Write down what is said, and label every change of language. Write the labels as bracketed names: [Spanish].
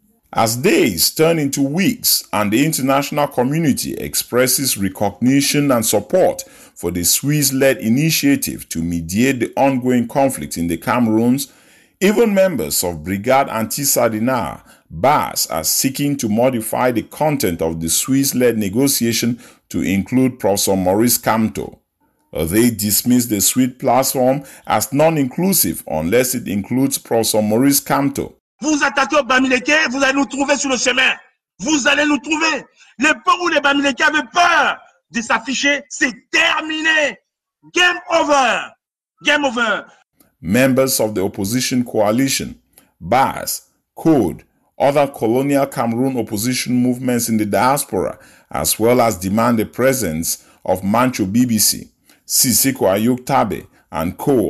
[English] As days turn into weeks and the international community expresses recognition and support for the Swiss-led initiative to mediate the ongoing conflict in the Cameroons, even members of Brigade Anti-Sardinia, BAS, are seeking to modify the content of the Swiss-led negotiation to include Professor Maurice Kamto. They dismiss the Swiss platform as non-inclusive unless it includes Professor Maurice Kamto. [French] Vous attaquez aux Bamileke, vous allez nous trouver sur le chemin. Vous allez nous trouver. Le peuple où les Bamileke avaient peur de s'afficher, c'est terminé. [English] Game over. Game over. Members of the opposition coalition, BAS, CODE, other colonial Cameroon opposition movements in the diaspora, as well as demand the presence of Manchu BBC, Sisiko Ayuk Tabe, and co.